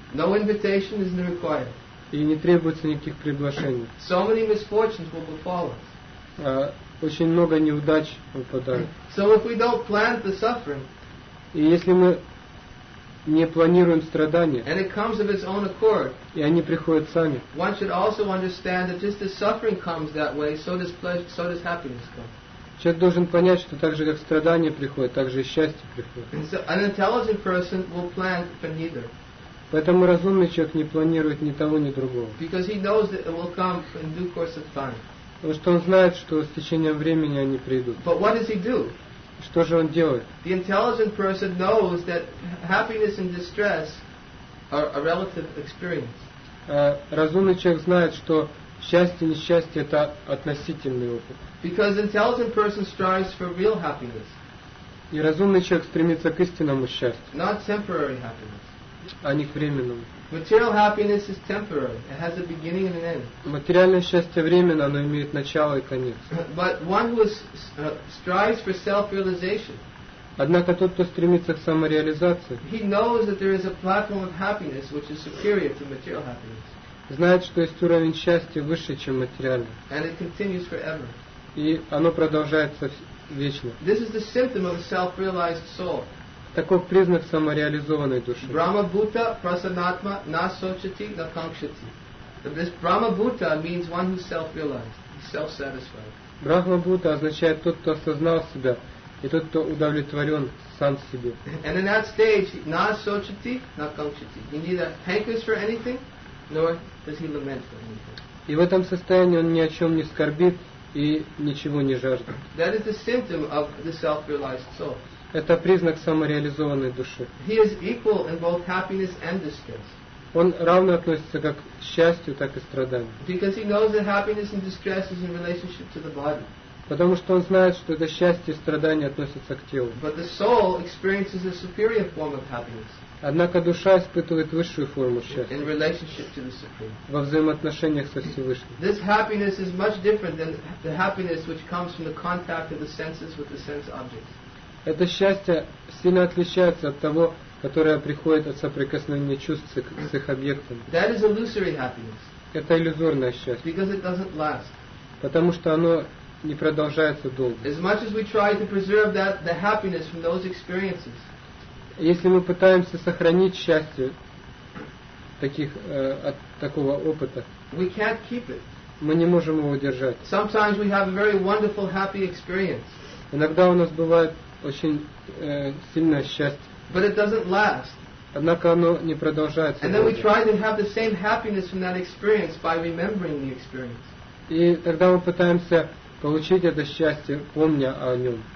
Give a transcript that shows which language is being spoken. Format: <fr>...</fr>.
<en>No invitation is required.</en> <ru>И не требуется никаких приглашений.</ru> <en>So many misfortunes will befall us.</en> <ru>Очень много неудач выпадает.</ru> <en>So if we don't plan the suffering,</en> <ru>и если мы не планируем страдания,</ru> <en>and it comes of its own accord,</en> <ru>и они приходят сами.</ru> <en>One should also understand that just as suffering comes that way, so does pleasure, so does happiness come.</en> <ru>Человек должен понять, что так же, как страдания приходят, так же и счастье приходит.</ru> <en>And so an intelligent person will plan for neither.</en> <ru>Поэтому разумный человек не планирует ни того, ни другого.</ru> <en>Because he knows that it will come in due course of time.</en> <ru>Потому что он знает, что с течением времени они придут.</ru> <en>But what does he do?</en> <ru>Что же он делает?</ru> <en>The intelligent person knows that happiness and distress are a relative experience.</en> <ru>Разумный человек знает, что Счастье и несчастье — это относительный опыт.</ru> <en>Because intelligent person strives for real happiness.</en> <ru>И разумный человек стремится к истинному счастью.</ru> <en>Not temporary happiness.</en> <ru>А не к временному.</ru> <en>Material happiness is temporary. It has a beginning and an end.</en> <ru>Материальное счастье временно, оно имеет начало и конец.</ru> <en>But one who strives for self-realization.</en> <ru>Однако тот, кто стремится к самореализации,</ru> <en>he knows that there is a platform of happiness which is superior to material happiness.</en> <ru>Знает, что есть уровень счастья выше, чем материальный.</ru> <en>And it continues forever.</en> <ru>И оно продолжается вечно.</ru> <en>This is the symptom of a self-realized soul.</en> <ru>Таков признак самореализованной души.</ru> <sa>Brahma Bhuta Prasanatma Na Sochati Na Kankshati.</sa> <en>This Brahma Bhuta means one who's self-realized, self-satisfied.</en> <ru>Brahma Bhuta означает тот, кто осознал себя, и тот, кто удовлетворен сам себе.</ru> <en>And in that stage,</en> <sa>Na Sochati Na Kankshati.</sa> <en>He neither hankers for anything, nor does he lament for anything.</en> <ru>И в этом состоянии он ни о чем не скорбит и ничего не жаждет.</ru> <en>That is the symptom of the self-realized soul.</en> <ru>Это признак самореализованной души.</ru> <en>He is equal in both happiness and distress.</en> <ru>Он равно относится как к счастью, так и страданию.</ru> <en>Because he knows that happiness and distress is in relationship to the body.</en> <ru>Потому что он знает, что это счастье и страдание относятся к телу.</ru> <en>But the soul experiences a superior form of happiness.</en> <ru>Однако душа испытывает высшую форму счастья.</ru> <en>In relationship to the Supreme.</en> <ru>Во взаимоотношениях со Всевышним.</ru> <en>This happiness is much different than the happiness which comes from the contact of the senses with the sense objects.</en> <ru>Это счастье сильно отличается от того, которое приходит от соприкосновения чувств с их объектами.</ru> <en>That is illusory happiness.</en> <ru>Это иллюзорное счастье.</ru> <en>Because it doesn't last.</en> <ru>Потому что оно не продолжается долго.</ru> <en>As much as we try to preserve that, the happiness from those experiences.</en> <ru>Если мы пытаемся сохранить счастье от такого опыта,</ru> <en>we can't keep it.</en> <ru>Мы не можем его удержать.</ru> <en>Sometimes we have a very wonderful happy experience.</en> <ru>Иногда у нас бывает очень сильное счастье.</ru> <en>But it doesn't last.</en> <ru>Однако оно не продолжается.</ru> <en>And then we try to have the same happiness from that experience by remembering the experience.</en> <ru>И тогда мы пытаемся получить это счастье, помня о нем.</ru>